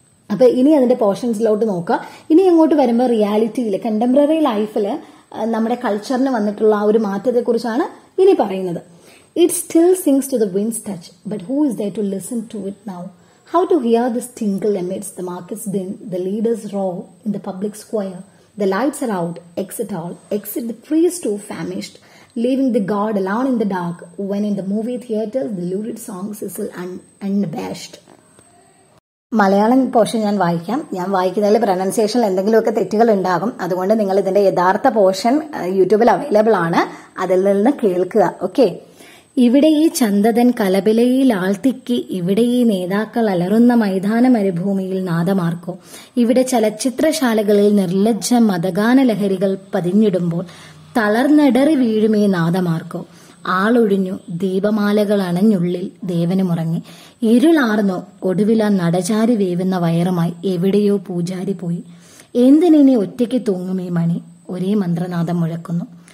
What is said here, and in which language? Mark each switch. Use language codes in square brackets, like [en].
[ml] അപ്പൊ ഇനി അതിന്റെ പോർഷൻസിലോട്ട് നോക്കുക. ഇനി അങ്ങോട്ട് വരുമ്പോൾ റിയാലിറ്റിയിൽ, കണ്ടംപററി ലൈഫിൽ നമ്മുടെ കൾച്ചറിന് വന്നിട്ടുള്ള ആ ഒരു മാറ്റത്തെ കുറിച്ചാണ് ഇനി പറയുന്നത്. [en] It still sings to the winds touch but who is there to listen to it now. How to hear this tinkle amidst the markets din the leaders row in the public square The lights are out, exit all, exit the priest too famished, leaving the god alone in the dark, when in the movie theater the lurid song sizzle unabashed. [ml] Malayalam portion ഞാൻ വായിക്കാം. ഞാൻ വായിക്കുന്നതിൽ പ്രൊനൗൺസിയേഷനിൽ എന്തെങ്കിലുമൊക്കെ തെറ്റുകൾ ഉണ്ടാകും, അതുകൊണ്ട് നിങ്ങൾ ഇതിന്റെ യഥാർത്ഥ പോർഷൻ യൂട്യൂബിൽ അവൈലബിൾ ആണ്, അതിൽ നിന്ന് കേൾക്കുക. ഓക്കെ. ഇവിടെ ഈ ചന്ദതൻ കലബിലയിൽ ആൾത്തിക്കി, ഇവിടെ ഈ നേതാക്കൾ അലറുന്ന മൈതാന മരുഭൂമിയിൽ നാദമാർക്കോ, ഇവിടെ ചലച്ചിത്രശാലകളിൽ നിർലജ്ജ മതഗാന ലഹരികൾ പതിഞ്ഞിടുമ്പോൾ തളർന്നിടറി വീഴുമേ നാദമാർക്കോ, ആളൊഴിഞ്ഞു ദീപമാലകൾ അണഞ്ഞുള്ളിൽ ദേവനുമുറങ്ങി, ഇരുളാർന്നോ ഒടുവില നടചാരി വേവുന്ന വയറുമായി എവിടെയോ പൂജാരി പോയി, എന്തിനീ ഒറ്റയ്ക്ക് തൂങ്ങുമേ മണി, ഒരേ മന്ത്രനാദം മുഴക്കുന്നു.